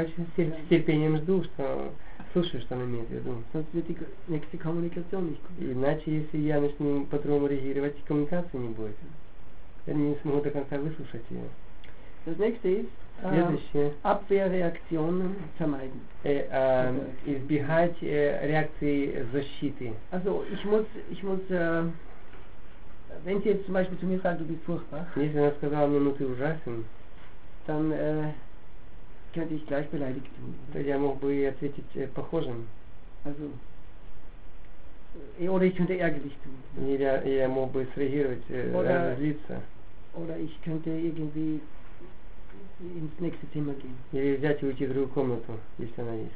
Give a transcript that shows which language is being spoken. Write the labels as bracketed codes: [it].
[ru] Я очень с терпением жду, что слушаю, что она имеет в виду. [de] Sonst wird die nächste Kommunikation nicht gut. [ru] Иначе, если я начну по-другому реагировать, коммуникации не будет. Я не смогу до конца выслушать ее. [de] Das nächste ist, [ru] следующее. [de] Abwehrreaktionen vermeiden. [ru] Избегать реакции защиты. [de] Also, ich muss wenn sie jetzt zum Beispiel zu mir sagt, du bist furchtbar, [ru] если она сказала мне, ну ты ужасен, [de] dann könnte ich gleich beleidigt tun. [ru] То я мог бы ответить похожим. [de] Also, oder ich könnte ärgerlich tun. [ru] Я мог бы среагировать, разозлиться. [de] Oder ich könnte irgendwie ins nächste Zimmer gehen. [ru] Или взять и уйти в другую комнату, если она есть.